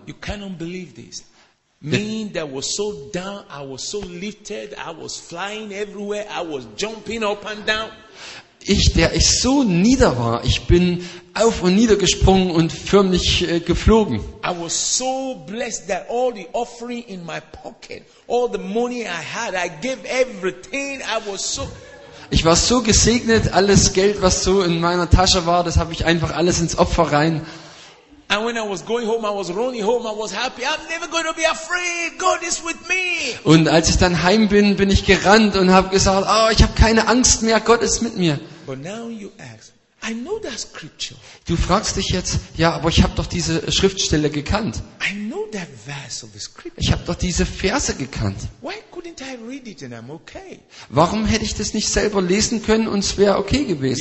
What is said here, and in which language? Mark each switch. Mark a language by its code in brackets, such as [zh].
[en] You cannot believe this. Mean that was so down, I was so lifted, I was flying everywhere, I was jumping up and down. [de] Der ich so nieder war, ich bin auf und nieder gesprungen und förmlich geflogen. [en] I was so blessed that all the offering in my pocket, all the money I had, I gave everything. I was so. [de] Ich war so gesegnet, alles Geld, was so in meiner Tasche war, das habe ich einfach alles ins Opfer rein. [en] And when I was going home, I was running home, I was happy. I'm never going to be afraid. God is with me. [de] Und als ich dann heim bin, bin ich gerannt und habe gesagt, oh, ich habe keine Angst mehr, Gott ist mit mir. [en] But now you ask, I know that scripture. [de] Du fragst dich jetzt, ja, aber ich habe doch diese Schriftstelle gekannt. [en] I know that verse of the scripture. [de] Ich habe doch diese Verse gekannt. [en] Why couldn't I read it and I'm okay? [de] Warum hätte ich das nicht selber lesen können und es wäre okay gewesen?